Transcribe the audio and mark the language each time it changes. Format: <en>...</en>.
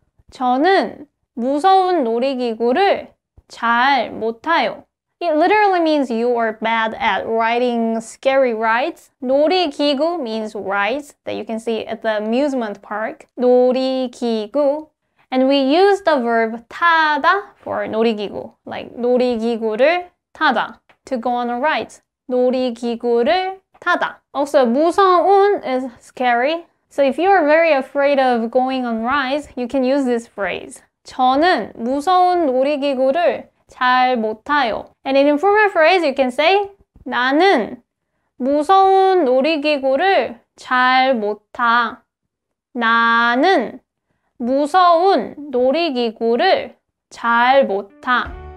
<ko>저는 무서운 놀이기구를 잘 못 타요.</ko> <en>It literally means you are bad at riding scary rides. 놀이기구 means rides that you can see at the amusement park. 놀이기구. And we use the verb 타다 for 놀이기구. Like</en> <ko>놀이기구를 타다.</ko> <en>To go on a ride.</en> <ko>놀이기구를 타다.</ko> <en>Also, 무서운 is scary. So if you are very afraid of going on rides, you can use this phrase.</en> <ko>저는 무서운 놀이기구를 잘 못 타요.</ko> <en>And in informal phrase, you can say</en> <ko>나는 무서운 놀이기구를 잘 못 타. 나는 무서운 놀이기구를 잘 못 타.</ko>